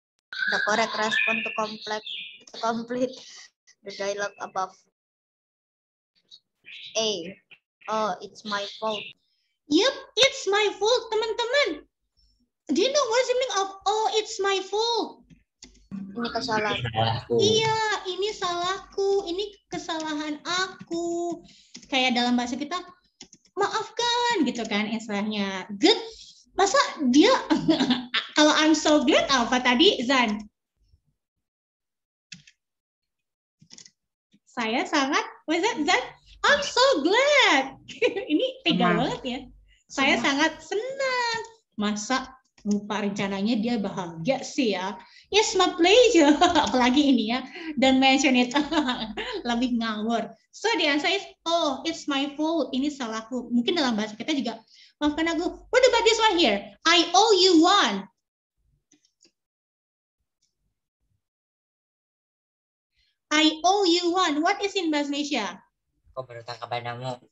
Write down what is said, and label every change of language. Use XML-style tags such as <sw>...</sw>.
<en>The correct response to complete the dialogue above. A, oh, it's my fault. Yep, it's my fault, teman-teman. Do you know what's the meaning of, oh, it's my fault?</en> <id>Ini kesalahan. Iya, ini salahku. Ini kesalahan aku. kayak dalam bahasa kita maafkan gitu kan istilahnya.</id> <en>Good.</en> <id>Masa dia kalau</id> <en>I'm so good</en> <id>apa tadi Zan? Saya sangat,</id> <en>what's that, Zan? I'm so glad.</en> <id>Ini tega banget ya. Saya sangat senang. Masa lupa rencananya dia bahagia sih ya.</id> <en>Yes, my pleasure.</en> <id>Apalagi ini ya.</id> <en>Don't mention it.</en> <id>Lebih ngawur.</id> <en>So the answer is, oh, it's my fault.</en> <id>Ini salahku. Mungkin dalam bahasa kita juga, maafkan aku.</id> <en>What about this one here? I owe you one. I owe you one. What is in bahasa Indonesia?</en> <id>Aku berhutang kepadamu.</id>